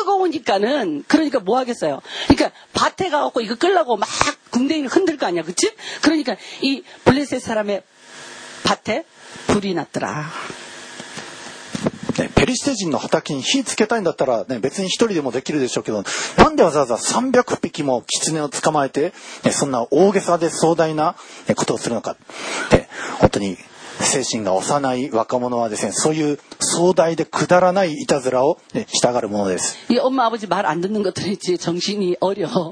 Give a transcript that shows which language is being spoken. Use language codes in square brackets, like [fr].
[ko] 뜨거우니까는 그러니까 뭐 하겠어요. 그러니까 밭에 가갖고 이거 끌려고 막 궁뎅이를 흔들 거 아니야, 그치? 그러니까 이 블레셋 사람의 밭에 불이 났더라. [ja] 네, 페리스테인의 畑에 火 つけたいんだったら 네, 別に 1人でも できるでしょうけど なんで わざわざ 300匹も 狐を捕まえて ね, そんな大げさで壮大なことをするのか 네, 本当に 精神が幼い若者はですね そういう壮大でくだらないいたずらを ね, したがるものです。 [ko] 이 엄마 아버지 말 안 듣는 것들이지 정신이 어려.